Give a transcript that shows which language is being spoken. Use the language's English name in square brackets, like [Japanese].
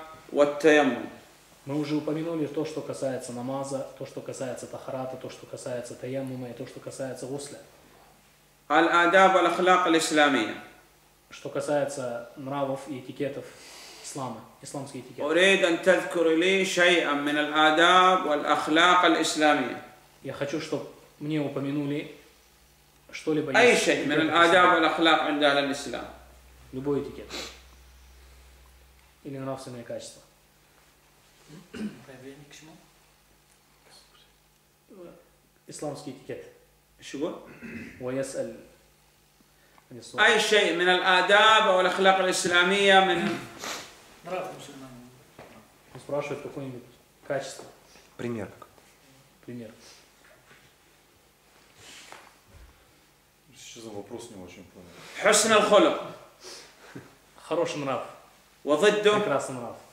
[Russian] Мы уже упомянули то, что касается намаза, то, что касается тахарата, то, что касается таяммума и то, что касается гусля. [Arabic] Аль-адаб аль-ахлак аль-исламия. [Russian] Что касается нравов и этикетов ислама, исламских этикетов. [Arabic] أريد أن تذكر لي شيئا من الآداب والأخلاق الإسلامية. [Russian] Я хочу, чтобы мне упомянули что-либо. [Arabic] أي شيء من الآداب والأخلاق عند أهل الإسلام. [Russian] Любой этикет. Или нравственные качества. Исламский этикет. Чего? [Arabic] ويسأل. أي شيء من الآداب والأخلاق الإسلامية من. [Russian] Спрашивает какое-нибудь качество. Пример. Пример. Сейчас вопрос не очень понял. [Arabic] Хусн аль-хулук. [Russian] Хороший нрав. [Arabic] Ва дзидду. [Russian] Прекрасный нрав.